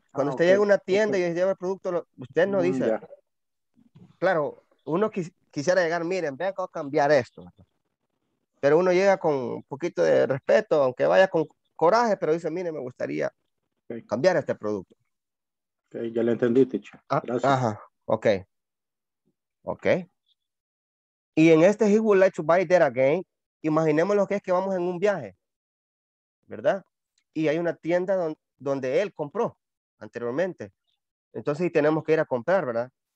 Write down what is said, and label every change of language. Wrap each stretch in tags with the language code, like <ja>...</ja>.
<es>Cuando usted llega a una tienda y lleva el producto, usted no dice. Ya. Claro, uno quisiera llegar, miren, ven acá a cambiar esto. Pero uno llega con un poquito de respeto, aunque vaya con coraje, pero dice, miren, me gustaría cambiar este producto. Ok, ya lo entendí, teacher. Gracias. Ajá, ok.</es> <en>Ok.</en> <es>Y en este,</es> <en>he would like to buy it there again.</en> <es>Imaginemos lo que es que vamos en un viaje, ¿verdad? Y hay una tienda donde él compró anteriormente. Entonces, y tenemos que ir a comprar, ¿verdad?</es>